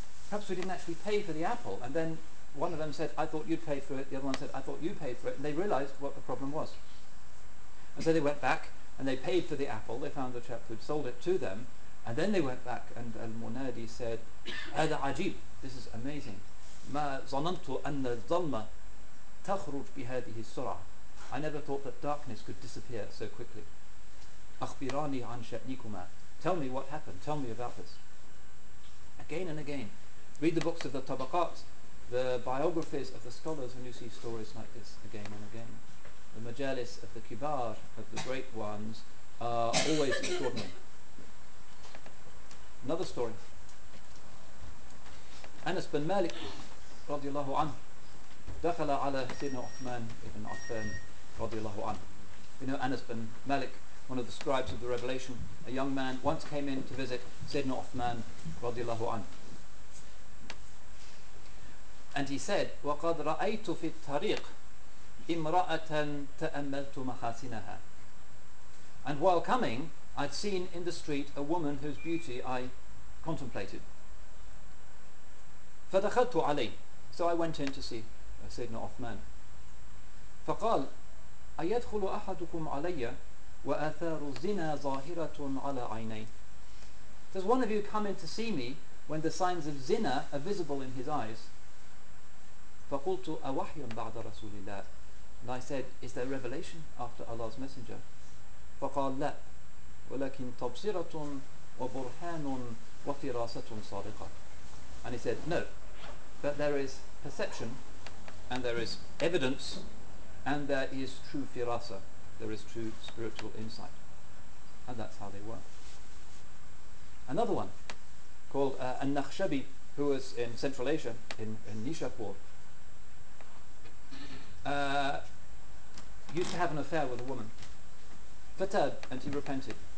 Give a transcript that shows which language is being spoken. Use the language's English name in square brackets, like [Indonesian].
[English] Perhaps we didn't actually pay for the apple, and then one of them said, I thought you'd pay for it, the other one said, I thought you paid for it, and they realised what the problem was. And so they went back, and they paid for the apple, they found the chap who'd sold it to them, and then they went back, and Al-Munadi said, [Arabic] هذا عجيب, [English] this is amazing. [Arabic] ما ظننت أن الظلمة تخرج بهذه السرعة. [English] I never thought that darkness could disappear so quickly. [Arabic] أخبراني عن شأنكما. [English] Tell me what happened, tell me about this. Again and again. Read the books of the Tabaqat, the biographies of the scholars, and you see stories like this again and again. The majalis of the kibar, of the great ones, are always extraordinary. Another story. Anas bin Malik, radiallahu anhu, [Arabic] dakhala ala [English] Sayyidina Uthman ibn Affan, radiallahu anhu. You know Anas bin Malik, one of the scribes of the revelation, a young man, once came in to visit Sayyidina Uthman, radiallahu anhu. And he said, [Arabic] وَقَدْ رَأَيْتُ فِي الطَّرِيقِ إِمْرَأَةً تَأَمَّلْتُ مَحَاسِنَهَا. [English] And while coming, I'd seen in the street a woman whose beauty I contemplated. [Arabic] فَدَخَلْتُ عَلَيْهِ. [English] So I went in to see Sayyidina Uthman. [Arabic] فقال أيدخل أحدكم علي وأثار الزنا ظاهرة على عيني. [English] Does one of you come in to see me when the signs of zina are visible in his eyes? [Arabic] فقلت أوحي بعد رسول الله. [English] And I said, is there revelation after Allah's messenger? [Arabic] فقال لا ولكن تبصرة وبرهان وفراسة صادقة. [English] And he said, no, but there is perception, and there is evidence, and there is true firasa, there is true spiritual insight. And that's how they work. Another one, called An-Nakhshabi, who was in Central Asia, in Nishapur, used to have an affair with a woman, Fatab, and he repented.